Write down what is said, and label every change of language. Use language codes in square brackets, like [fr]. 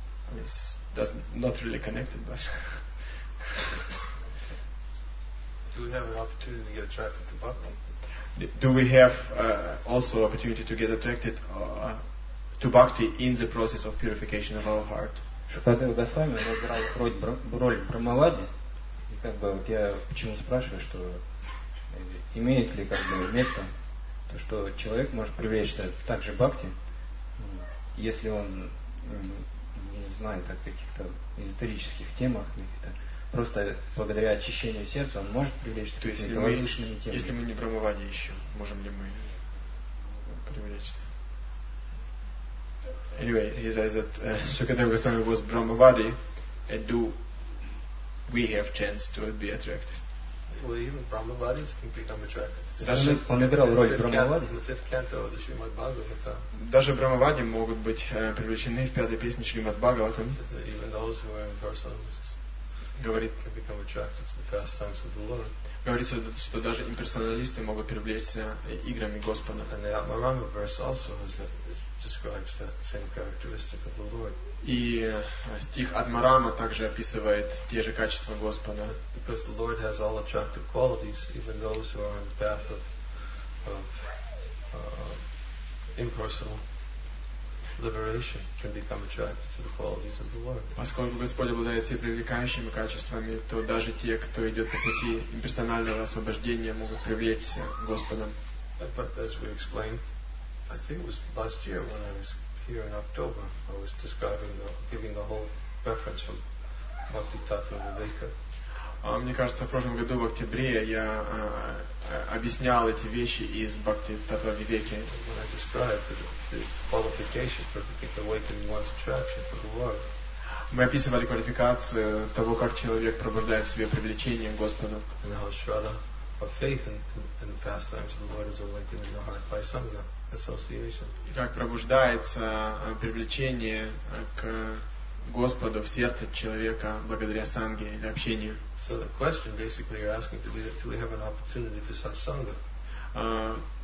[en] I mean, it's not really connected, but... Do we have an opportunity to get attracted to bhakti? Do we have also opportunity to get attracted to bhakti in the process of purification of our heart? [ru] Как бы вот я почему спрашиваю, что имеет ли как бы место то, что человек может привлечься также бхакти, если он не знает о каких-то эзотерических темах, просто благодаря очищению сердца он может привлечься то к каким-то возвышенным темам. Если мы не брамавади еще, можем ли мы привлечься? [en] Anyway, he says that Shukadeva Goswami was brahmavadi and do we have chance to be attracted. Well, even Brahmavadis can become attracted. [ru] Даже Брамавади могут быть привлечены в пятой песне Шримад Бхагаватам. [en] Even those who are in personalists can become attracted to the pastimes of the Lord. [ru] Говорится, что даже имперсоналисты могут привлечься играми Господа. [en] And the Atmaranga verse also describes that same characteristic of the Lord. [ru] И стих Атмарама также описывает те же качества Господа. [en] Because the Lord has all attractive qualities, even those who are on the path of impersonal liberation can become attracted to the qualities of the Lord. [ru] Поскольку Господь обладает все привлекающими качествами, то даже те, кто идет по пути имперсонального освобождения, могут привлечься Господом. [en] But as we explained, I think it was last year when I was here in October, I was describing giving the whole reference from Bhakti Tattva Viveka. [ru] Мне кажется, в прошлом году в октябре я объяснял эти вещи из Бхакти Таттва Вивеки. [en] When I described the qualification for awakening one's attraction for the Lord. [ru] Мы описывали квалификацию того, как человек пробуждает в себе привлечение к Господу. [en] And how Shraddha of faith in the pastimes of the Lord is awakened in the heart by sangha association. [ru] И как пробуждается привлечение к Господу в сердце человека благодаря санге или общению. [en] So the question basically you're asking to be that do we have an opportunity for such sangha?